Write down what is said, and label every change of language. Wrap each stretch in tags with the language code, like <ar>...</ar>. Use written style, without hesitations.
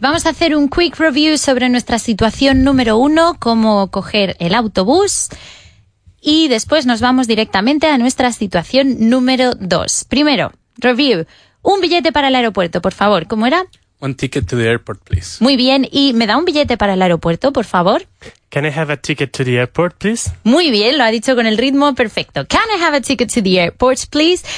<es>Vamos a hacer un</es> <en>quick review</en> <es>sobre nuestra situación número uno, cómo coger el autobús, y después nos vamos directamente a nuestra situación número dos. Primero, review, un billete para el aeropuerto, por favor, ¿cómo era?</es> <en>One ticket to the airport, please.</en> <es>Muy bien, y ¿me da un billete para el aeropuerto, por favor?</es> <en>Can I have a ticket to the airport, please?</en> <es>Muy bien, lo ha dicho con el ritmo perfecto.</es> <en>Can I have a ticket to the airport, please?</en>